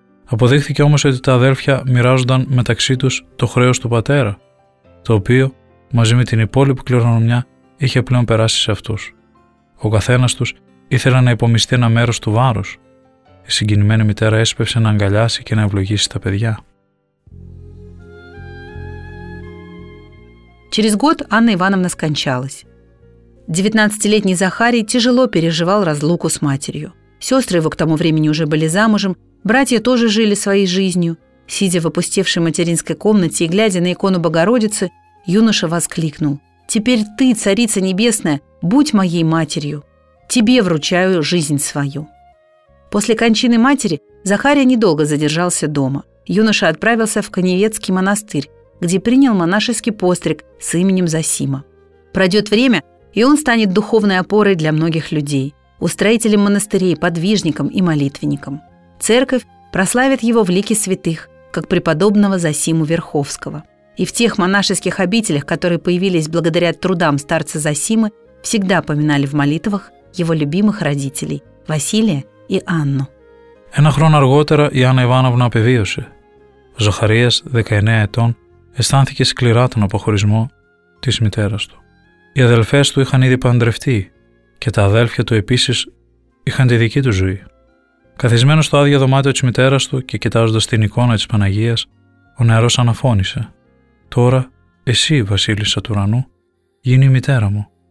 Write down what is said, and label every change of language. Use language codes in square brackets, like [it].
[el] Αποδείχθηκε όμως ότι τα αδέλφια μοιράζονταν μεταξύ τους το χρέος του πατέρα, το οποίο, μαζί με την υπόλοιπη κληρονομιά, είχε πλέον περάσει σε αυτούς. Ο καθένας τους ήθελε να υπομειστεί ένα μέρος του βάρους. Η συγκινημένη μητέρα έσπευσε να αγκαλιάσει και να ευλογήσει τα παιδιά. [ru] Через год Анна Ивановна скончалась. 19-летний Захарий тяжело переживал разлуку с матерью. Сестры его к тому времени уже были замужем, братья тоже жили своей жизнью. Сидя в опустевшей материнской комнате и глядя на икону Богородицы, юноша воскликнул: «Теперь ты, Царица Небесная, будь моей матерью, тебе вручаю жизнь свою». После кончины матери Захария недолго задержался дома. Юноша отправился в Каневецкий монастырь, где принял монашеский постриг с именем Зосима. Пройдет время, и он станет духовной опорой для многих людей, устроителем монастырей, подвижником и молитвенником. Церковь прославит его в лике святых, как преподобного Зосиму Верховского. И в тех монашеских обителях, которые появились благодаря трудам старца Зосимы, всегда поминали в молитвах его любимых родителей – Василия и Анну. [el] Ένα χρόνο αργότερα η Άννα Ιβάνοβνα επιβίωσε. Ο Ζαχαρίας, 19 ετών, αισθάνθηκε σκληρά τον αποχωρισμό της μητέρας του. Οι αδελφές του είχαν ήδη παντρευτεί και τα αδέλφια του επίσης είχαν τη δική του ζωή. Καθισμένος στο άδειο δωμάτιο της μητέρας του και κοιτάζοντας την εικόνα της Παναγίας, ο νεαρός αναφώνησε: «Τώρα, εσύ, Βασίλισσα του Ουρανού, γίνει η μητέρα μου.